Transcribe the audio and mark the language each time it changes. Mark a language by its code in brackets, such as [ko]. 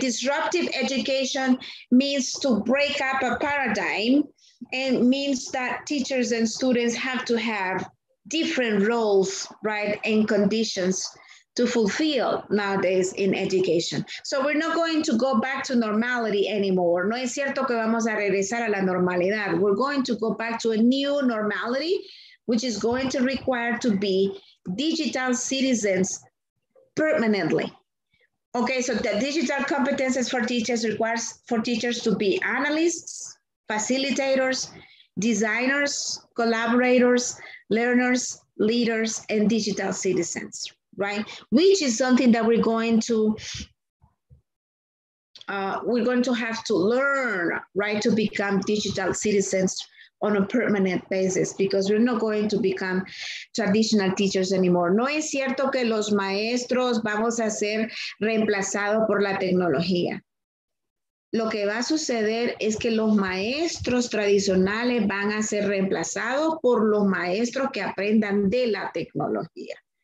[en] Disruptive education means to break up a paradigm. And means that teachers and students have to have different roles, right, and conditions to fulfill nowadays in education. So we're not going to go back to normality anymore. [es] No es cierto que vamos a regresar a la normalidad. [en] We're going to go back to a new normality, which is going to require to be digital citizens permanently. Okay, so the digital competences for teachers requires for teachers to be analysts, facilitators, designers, collaborators, learners, leaders, and digital citizens, right? Which is something that we're going to have to learn, right? To become digital citizens on a permanent basis, because we're not going to become traditional teachers anymore. [es] No es cierto que los maestros vamos a ser reemplazados por la tecnología. Lo que va a suceder es que los maestros tradicionales van a ser reemplazados por los maestros que aprendan de la tecnología.